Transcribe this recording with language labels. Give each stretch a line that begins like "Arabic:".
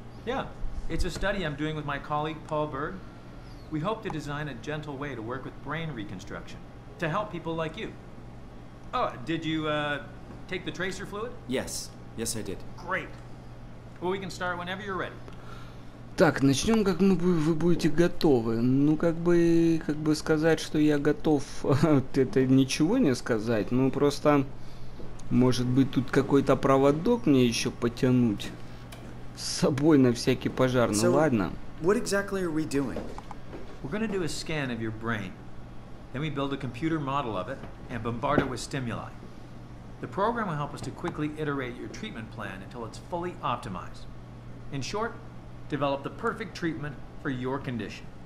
English: Yeah. It's a study I'm doing with my colleague, Paul Berg. We hope to design a gentle way to work with brain reconstruction, to help people like you. Oh, did you, take the tracer fluid? Yes. Yes, I did. Great. Well, we can start whenever you're ready.
Russian: Так, начнем, как вы будете готовы. Ну, как бы сказать, что я готов, это ничего не сказать. Ну, просто, может быть, тут какой-то проводок мне еще потянуть. С собой на всякий пожар, ну
English: so,
Russian: ладно.
English: What exactly are we doing? We're gonna do a scan of your brain. Then we build a computer model of it and bombard it with stimuli. The program will help us to quickly iterate your treatment plan until it's fully optimized. In short, develop the perfect treatment for your condition.